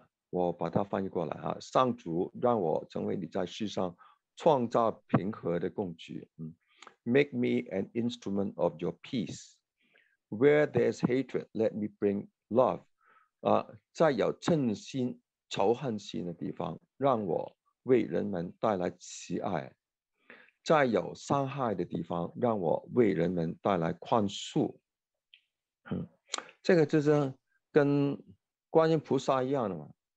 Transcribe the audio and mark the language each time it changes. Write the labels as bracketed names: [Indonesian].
[Chinese] 我把它翻译过来啊，上主让我成为你在世上创造平和的工具。 [English] Make me an instrument of your peace. Where there's hatred, let me bring love. [Chinese] 在有嗔心、仇恨心的地方，让我为人们带来慈爱。在有伤害的地方，让我为人们带来宽恕。这个就是跟观音菩萨一样的嘛。